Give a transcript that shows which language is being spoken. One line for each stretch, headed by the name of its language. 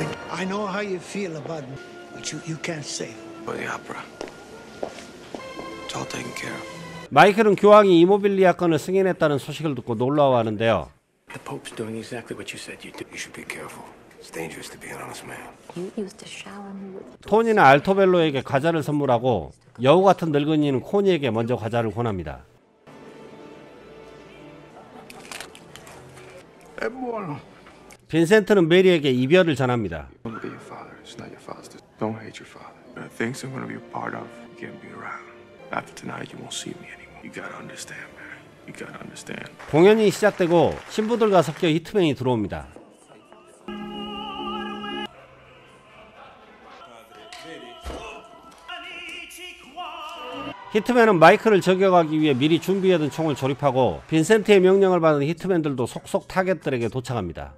English: I know how you feel about me, but you can't say. For the opera.
Korean: 마이클은 교황이 이모빌리아권을 승인했다는 소식을 듣고 놀라워하는데요.
English: The Pope's doing exactly what you said you'd do. You should be careful. It's dangerous to be an honest man. You used to shower me with.
Korean: 토니는 알토벨로에게 과자를 선물하고 여우 같은 늙은이는 코니에게 먼저 과자를 권합니다.
Italian: È buono.
Korean: 빈센트는 메리에게 이별을 전합니다.
English: Don't be your father. It's not your father. Don't hate your father. The things I'm going to be a part of, you can't be around. After tonight, you won't see me anymore. You gotta understand, Mary. You gotta understand.
Korean: 공연이 시작되고 신부들과 섞여 히트맨이 들어옵니다. 히트맨은 마이클을 저격하기 위해 미리 준비해둔 총을 조립하고 빈센트의 명령을 받은 히트맨들도 속속 타겟들에게 도착합니다.